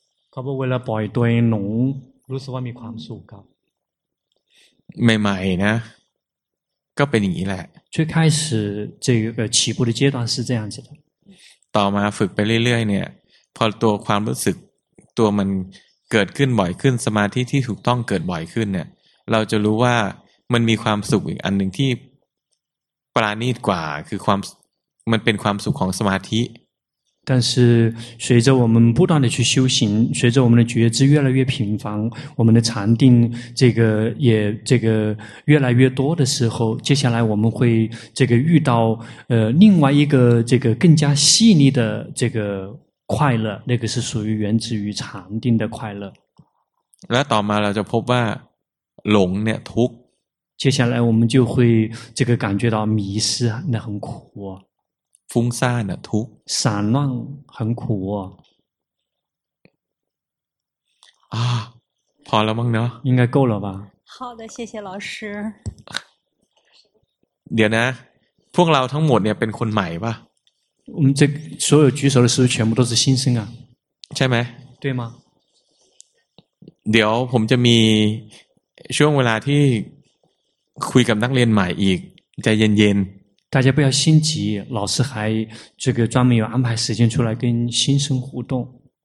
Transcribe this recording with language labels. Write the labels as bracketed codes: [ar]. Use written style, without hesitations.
[th] เขาบอกเวลาปล่อยตัวเองหนูรู้สึกว่ามีความสุขครับ ใหม่ๆนะก็เป็นอย่างนี้แหละ [zh] 最开始这个起步的阶段是这样子的 [th] ต่อมาฝึกไปเรื่อยๆเนี่ยพอตัวความรู้สึกตัวมันเกิดขึ้นบ่อยขึ้นสมาธิที่ถูกต้องเกิดบ่อยขึ้นเนี่ยเราจะรู้ว่ามันมีความสุขอีกอันหนึ่งที่ปราณีตกว่าคือความมันเป็นความสุขของสมาธิ [zh] 但是随着我们不断的去修行随着我们的觉知越来越频繁我们的禅定这个也这个越来越多的时候接下来我们会这个遇到另外一个这个更加细腻的这个快乐那个是属于源自于禅定的快乐 [th] และต่อมาเราจะพบว่าหลงเนี่ยทุกข์ [zh] 接下来我们就会这个感觉到迷失那很苦啊 [th] ฟุ้งซ่านน่ะทุก ข์สารนั่ง [zh] 很苦 [th] 啊พอแล้วมั้งเนาะ [zh] 应该够了吧好的谢谢老师 [th] เดี๋ยวนะพวกเราทั้งหมดเนี่ยเป็นคนใหม่ป่ะ [zh] 我们这所有举手的师全部都是新生啊 [th] ใช่ไหม [zh] 对吗 [th] เดี๋ยวผมจะมีช่วงเวลาที่คุยกับนักเรียนใหม่อีกใจเย็นๆ [zh] 大家不要心急，老师还这个专门有安排时间出来跟新生互动。